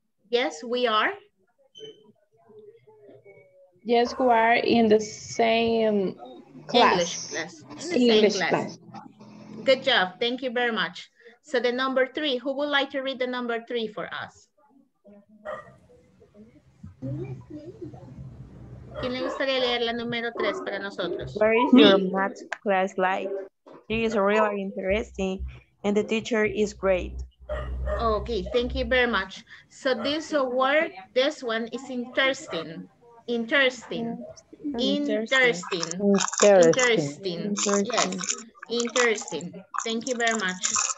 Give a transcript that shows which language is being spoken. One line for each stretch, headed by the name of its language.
English: Yes, we are. Yes, we are in the same English class. Good job. Thank you very much. So the number three, who would like to read the number three for us?
Spanish: ¿Quién le gustaría leer la número tres para nosotros?
English: Where is your math class like? It is really interesting and the teacher is great. Okay, thank you very much. So this word, this one is interesting. Interesting. Thank you very much.